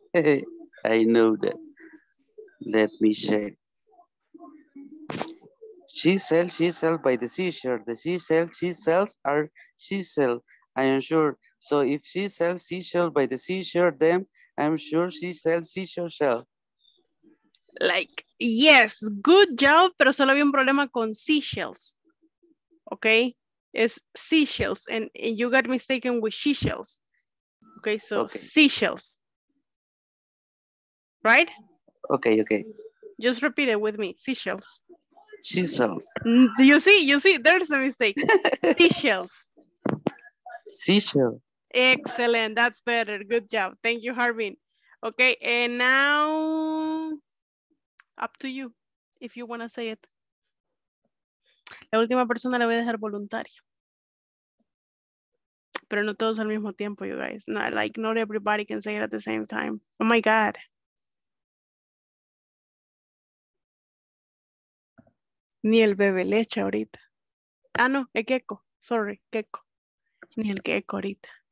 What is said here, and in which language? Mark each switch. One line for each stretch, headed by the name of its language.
English: I know that. Let me check. She sells by the seashore. The seashells she sells are seashells, I am sure. So, if she sells seashells by the seashore, then I'm sure she sells seashore shell. Like, yes, good job, pero solo había un problema con seashells. Okay. Is seashells, and you got mistaken with seashells. Okay, so okay. Seashells. Right? Okay. Just repeat it with me, seashells. Seashells. You see, there's a mistake. Seashells. Seashell. Excellent, that's better, good job. Thank you, Harbin. Okay, and now, up to you if you want to say it.
Spanish: La última persona la voy a dejar voluntaria. Pero no todos al mismo tiempo, you guys.
English: Not, like, not everybody can say it at the same time. Oh my God.
Spanish: Ni el bebé leche ahorita. Ah, no, el gecko. Sorry, gecko. Ni el gecko ahorita.